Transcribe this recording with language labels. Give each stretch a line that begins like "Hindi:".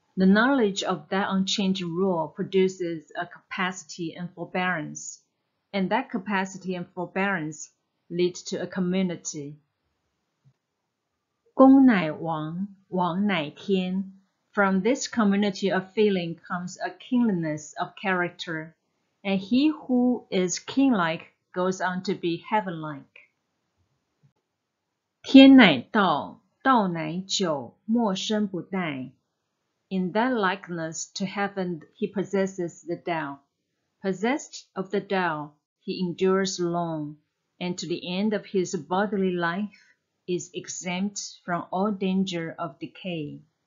English: The knowledge of that unchanging rule produces a capacity and forbearance, and that capacity and forbearance lead to a community.
Chinese: 公乃王，王乃天。
English: From this community of feeling comes a kingliness of character, and he who is king-like goes on to be heaven-like.
Chinese: 天乃道，道乃久，莫生不殆。
English: In that likeness to heaven, he possesses the Dao. Possessed of the Dao, he endures long, and to the end of his bodily life is exempt from all danger of decay.